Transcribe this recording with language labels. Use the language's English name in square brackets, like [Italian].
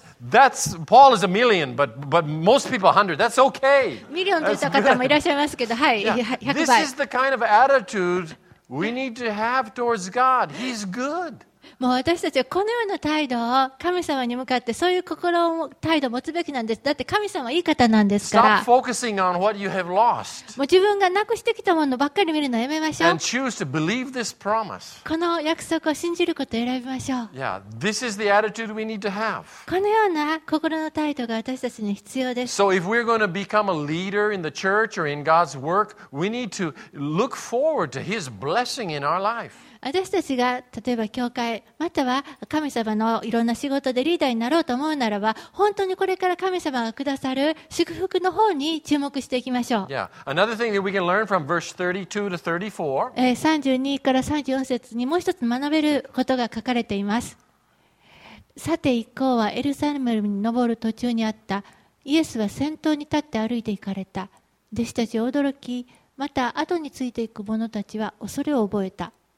[English] That's Paul is a million, but most people 100. That's okay. [Japanese] Million という方もいらっしゃいますけど、はい、100倍。 [English] This is the kind of attitude we need to have towards God. He's good. [Japanese] もう私たちはこのような態度を神様に向かってそういう心態度を持つべきなんです。だって神様はいい方なんですから。 [English] Stop focusing on what you have lost. [Japanese] もう自分がなくしてきたものばっかり見るのやめましょう。 [English] And choose to believe this promise. [Japanese] この約束を信じることを選びましょう。 [English] Yeah, this is the attitude we need to have. [Japanese] このような心の態度が私たちに必要です。 [English] So if we're going to become a leader in the church or in God's work, we need to look forward to His blessing in our life. [Japanese] 私たちが例えば教会または神様のいろんな仕事でリーダーになろうと思うならば、本当にこれから神様がくださる祝福の方に注目していきましょう。 [English] Yeah. Another thing that we can learn from verse 32 to 34. [Japanese] 32から34節にもう一つ学べることが書かれています。さて一行はエルサレムに登る途中にあった。イエスは先頭に立って歩いて行かれた。弟子たちは驚き、また後についていく者たちは恐れを覚えた。